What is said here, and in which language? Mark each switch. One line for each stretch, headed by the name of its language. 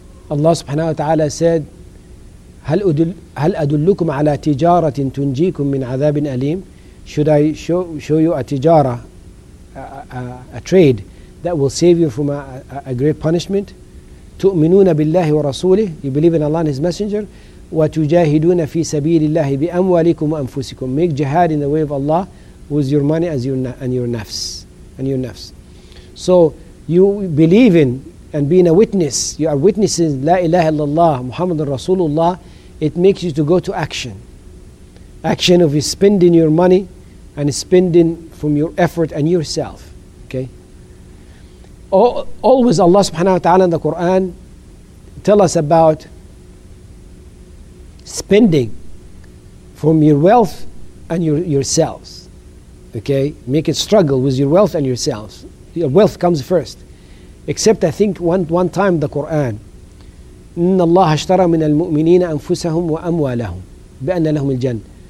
Arabic: Allah subhanahu wa ta'ala said, هَلْ أَدُلُّكُمْ عَلَىٰ تِجَارَةٍ تُنْجِيكُمْ مِنْ عَذَابٍ أَلِيمٍ.
English: Should I show you a tijara, a trade that will save you from a great punishment?
Arabic: تُؤْمِنُونَ بِاللَّهِ وَرَسُولِهِ.
English: You believe in Allah and His Messenger.
Arabic: وَتُجَاهِدُونَ فِي سَبِيلِ اللَّهِ بِأَمْوَالِكُمْ وَأَنفُسِكُمْ.
English: Make jihad in the way of Allah with your money as your nafs. So you believe in and being a witness, you are witnessing La ilaha illallah, Muhammad Rasulullah, it makes you to go to action. Action of spending your money and spending from your effort and yourself. Okay. Always Allah subhanahu wa ta'ala in the Quran tell us about spending from your wealth and yourselves. Okay, make it struggle with your wealth and yourselves. Your wealth comes first. Except I think one time the Quran,
Arabic: إِنَّ اللَّهَ اشْتَرَى مِنَ الْمُؤْمِنِينَ أَنفُسَهُمْ وَأَمْوَالَهُمْ بِأَنَّ لَهُمُ الْجَنَّةَ.